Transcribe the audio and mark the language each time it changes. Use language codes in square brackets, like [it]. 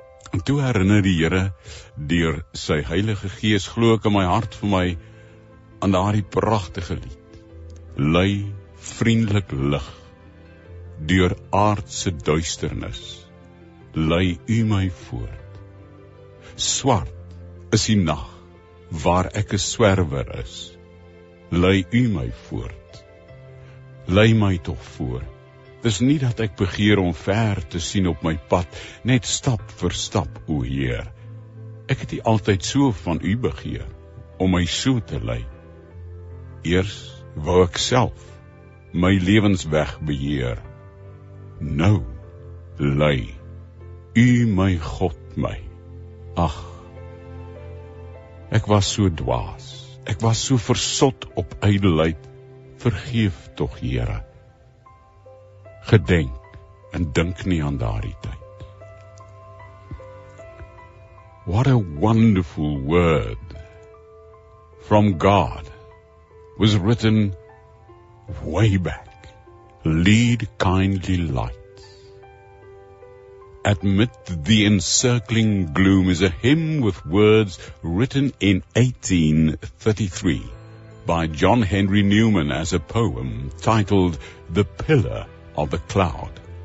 [af] En toe herinner die Here deur sy Heilige Gees glo ek in my hart vir my aan daardie pragtige lied. Lui vriendelik lig deur aardse duisternis. Lui u my voort. Swart is die nag waar ek 'n swerwer is. Lei u my voort, lei my toch voort. Dis nie dat ek begeer om ver te sien op my pad, net stap vir stap, o Heer. Ek het u altyd so van u begeer, om my so te lei. Eers wou ek self my lewensweg beheer. Nou, lei u my God my. Ach, ek was so dwaas. Ek was so versot op ydelheid, vergeef tog, Here. Gedenk en dink nie aan daardie tyd. [en] What a wonderful word from God was written way back. Lead kindly light. Amid the encircling gloom is a hymn with words written in 1833 by John Henry Newman as a poem titled The Pillar of the Cloud.